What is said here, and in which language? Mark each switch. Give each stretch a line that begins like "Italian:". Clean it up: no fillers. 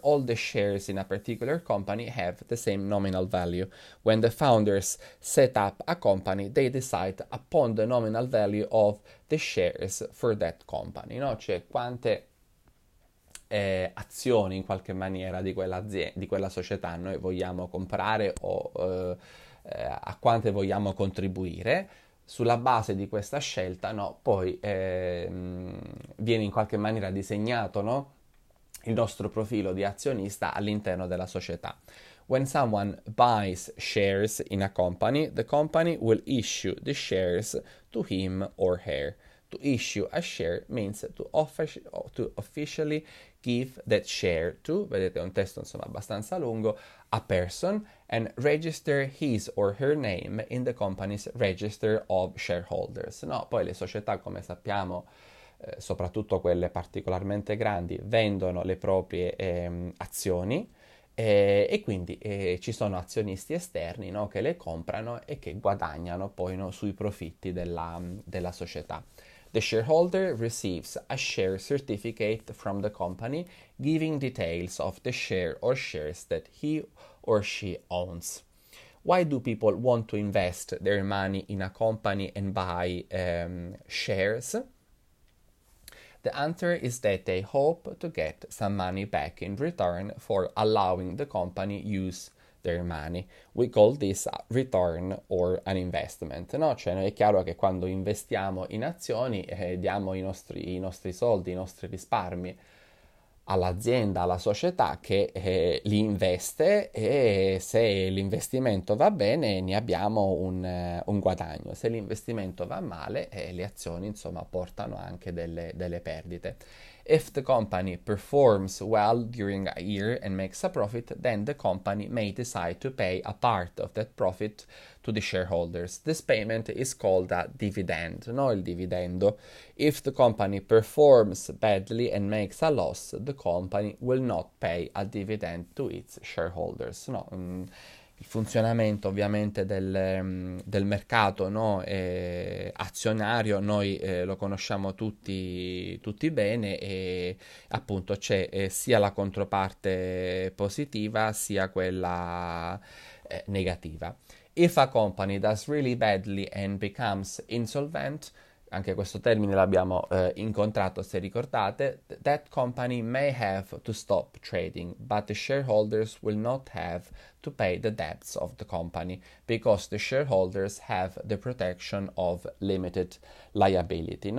English: All the shares in a particular company have the same nominal value. When the founders set up a company, they decide upon the nominal value of the shares for that company, no?
Italian: Cioè quante azioni in qualche maniera di quella società noi vogliamo comprare o a quante vogliamo contribuire. Sulla base di questa scelta, no, poi viene in qualche maniera disegnato, no, il nostro profilo di azionista all'interno della società.
English: When someone buys shares in a company, the company will issue the shares to him or her. To issue a share means to officially give that share to,
Italian: vedete, è un testo insomma abbastanza lungo,
English: a person and register his or her name in the company's register of shareholders.
Italian: No, poi le società, come sappiamo, soprattutto quelle particolarmente grandi, vendono le proprie azioni e quindi ci sono azionisti esterni, no, che le comprano e che guadagnano poi, no, sui profitti della società.
English: The shareholder receives a share certificate from the company giving details of the share or shares that he or she owns. Why do people want to invest their money in a company and buy shares? The answer is that they hope to get some money back in return for allowing the company use their money. We call this a return or an investment.
Italian: No, cioè è chiaro che quando investiamo in azioni diamo i nostri soldi, i nostri risparmi all'azienda, alla società che li investe, e se l'investimento va bene ne abbiamo un guadagno. Se l'investimento va male, le azioni insomma portano anche delle perdite.
English: If the company performs well during a year and makes a profit, then the company may decide to pay a part of that profit to the shareholders. This payment is called a dividend, no, il dividendo. If the company performs badly and makes a loss, the company will not pay a dividend to its shareholders.
Italian: No, il funzionamento ovviamente del mercato, no, azionario, noi lo conosciamo tutti bene, e appunto c'è sia la controparte positiva sia quella negativa.
English: If a company does really badly and becomes insolvent,
Italian: anche questo termine l'abbiamo incontrato, se ricordate,
English: that company may have to stop trading, but the shareholders will not have to pay the debts of the company because the shareholders have the protection of limited liability.